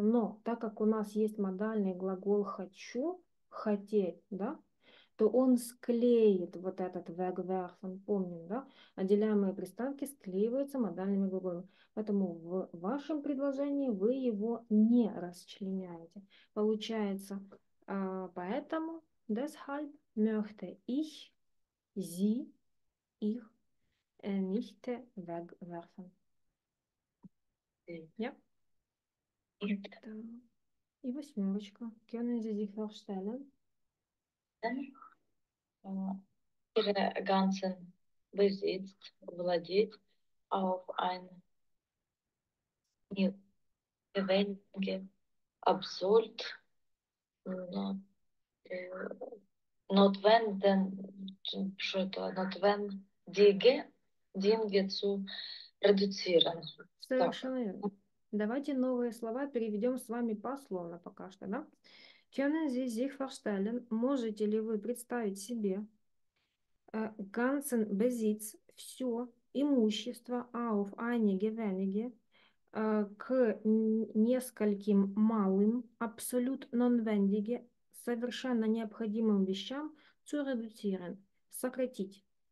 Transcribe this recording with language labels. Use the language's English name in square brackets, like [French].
[Russian] Но так как у нас есть модальный глагол хочу, хотеть, да, то он склеит вот этот weg, werfen, помним, да? Отделяемые приставки склеиваются модальными глаголами. Поэтому в вашем предложении вы его не расчленяете. Получается, поэтому [German] deshalb möchte ich sie [Russian] их [German] nicht wegwerfen. Ja? Gut. [Russian] И восьмерочка. [German] Können Sie sich vorstellen? Ihre ganzen Besitz [Russian] владеть [German] auf ein gewöhnliche absolut notwendige Dinge zu reduzieren. [Russian] Так. Совершенно верно. Давайте новые слова переведем с вами пословно пока что, да? [German] Können Sie sich vorstellen, [Russian] можете ли вы представить себе [German] ganzen Besitz, [Russian] все имущество [German] auf einige wenige, [Russian] к нескольким малым, абсолют notwendige, совершенно необходимым вещам, [German] zu reduzieren, [Russian] сократить.